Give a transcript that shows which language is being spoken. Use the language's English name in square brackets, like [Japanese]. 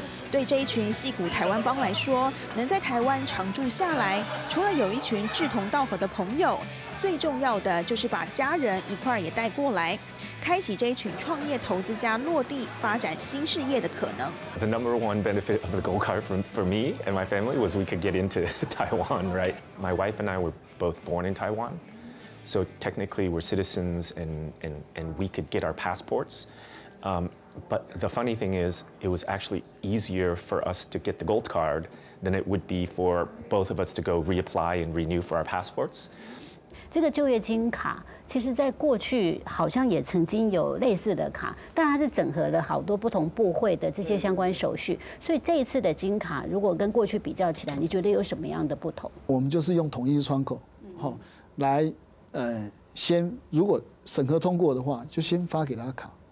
[Chinese] 对这一群矽谷台湾帮来说，能在台湾常住下来，除了有一群志同道合的朋友，最重要的就是把家人一块也带过来，开启这一群创业投资家落地发展新事业的可能。 [English] The number one benefit of the gold card for me and my family was we could get into Taiwan, right? My wife and I were both born in Taiwan, so technically we're citizens and we could get our passports. But the funny thing is, it was actually easier for us to get the gold card than it would be for both of us to go reapply and renew for our passports. [Chinese] 这个就业金卡其实在过去好像也曾经有类似的卡，但它是整合了好多不同部会的这些相关手续。所以这一次的金卡如果跟过去比较起来，你觉得有什么样的不同？我们就是用统一窗口，好，来，先如果审核通过的话，就先发给他卡。